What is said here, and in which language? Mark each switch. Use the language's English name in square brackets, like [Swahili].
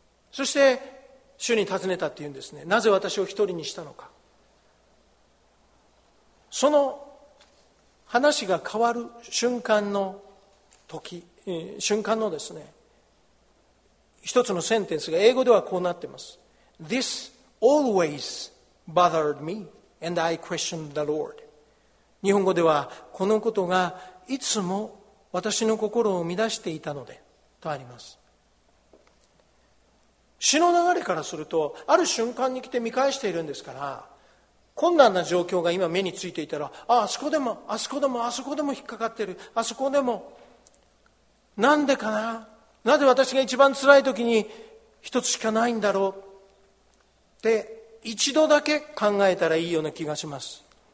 [Japanese] そして主に尋ねたっていうんですね。なぜ私を一人にしたのか。その話が変わる瞬間の時、瞬間のですね、一つのセンテンスが英語ではこうなってます。 [English] This always bothered me and I questioned the Lord. [Japanese] 日本語ではこのことがいつも私の心を乱していたのでとあります。詩の流れからすると、ある瞬間に来て見返しているんですから、困難な状況が今目についていたら、あそこでも、あそこでも、あそこでも引っかかってる、あそこでも、なんでかな、なぜ私が一番辛い時に一つしかないんだろうって一度だけ考えたらいいような気がします。